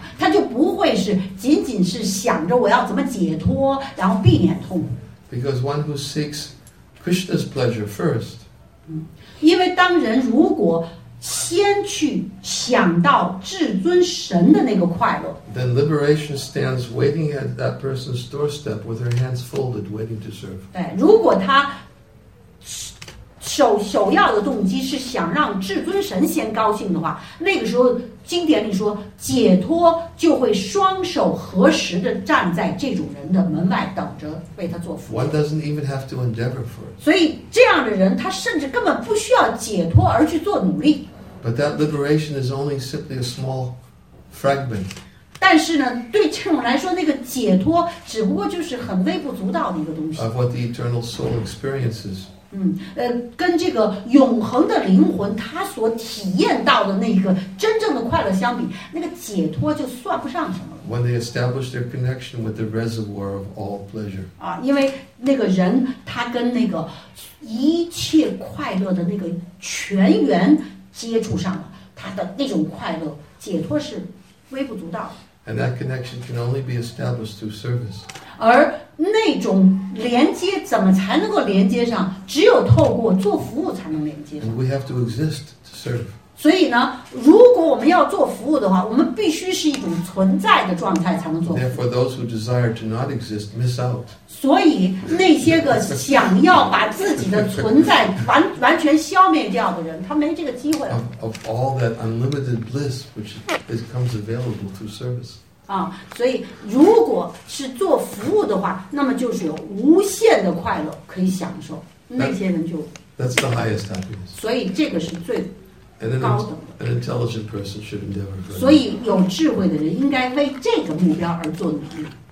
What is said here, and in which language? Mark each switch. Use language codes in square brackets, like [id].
[zh] 他就不会是仅仅是想着我要怎么解脱，然后避免痛苦。 [en] Because one who seeks Krishna's pleasure first. [zh] 因为当人如果先去想到至尊神的那个快乐， [en] then liberation stands waiting at that person's doorstep with her hands folded, waiting to serve. [zh] 对，如果他首要的动机是想让至尊神先高兴的话，那个时候经典里说解脱就会双手合十的站在这种人的门外等着为他做福音。 [en] One doesn't even have to endeavor for it. [zh] 所以这样的人他甚至根本不需要解脱而去做努力。 [en] But that liberation is only simply a small fragment. [zh] 但是呢，对这种来说，那个解脱只不过就是很微不足道的一个东西。 [en] Of what the eternal soul experiences. [zh] 跟这个永恒的灵魂他所体验到的那个真正的快乐相比，那个解脱就算不上什么了。 [en] When they establish their connection with the reservoir of all pleasure. [zh] 啊，因为那个人他跟那个一切快乐的那个泉源接触上了，他的那种快乐解脱是微不足道的。 [en] And that connection can only be established through service. [zh] 而那种连接怎么才能够连接上？只有透过做服务才能连接上。 [en] And we have to exist to serve. [zh] 所以呢，如果我们要做服务的话，我们必须是一种存在的状态才能做服务。 [en] Therefore, those who desire to not exist miss out. [zh] 所以那些个想要把自己的存在完全消灭掉的人，他没这个机会了。 [en] Of all that unlimited bliss which becomes available through service. [zh] 所以如果是做服务的话，那么就是有无限的快乐可以享受。那些人就 [en] That's the highest happiness. [zh] 所以这个是最高等的。 [en] An intelligent person should endeavor for that. [zh] 所以有智慧的人应该为这个目标而做努力。